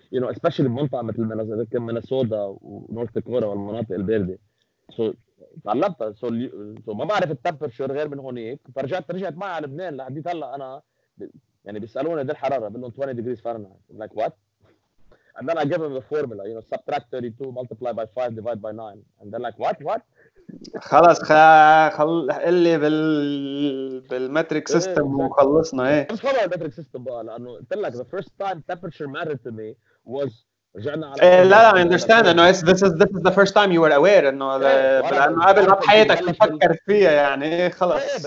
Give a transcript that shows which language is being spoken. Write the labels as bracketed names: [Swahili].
[English] especially [Arabic] منطقة مثل مينيسوتا ونورث دكوتا والمناطق الباردة. [English] So [Arabic] ما بعرف التمبرشور غير من هونيك. فرجعت معي على لبنان لحديت هلا أنا بيسألوني دي الحرارة بقول لهم [English] 20 degrees Fahrenheit. I'm like what? And then I give them the formula, subtract 32, multiply by 5, divide by 9. And they're like what? [Arabic] خلاص خلي بالمتريك سيستم وخلصنا ايه بس خلاص المتريك سيستم بقى لانه قلت لك [English] the first time temperature mattered to me was [Arabic] رجعنا على لا [English] I understand [Arabic] انه [English] this is the first time you were aware [Arabic] انه لانه قبل ما بحياتك تفكر فيها يعني خلص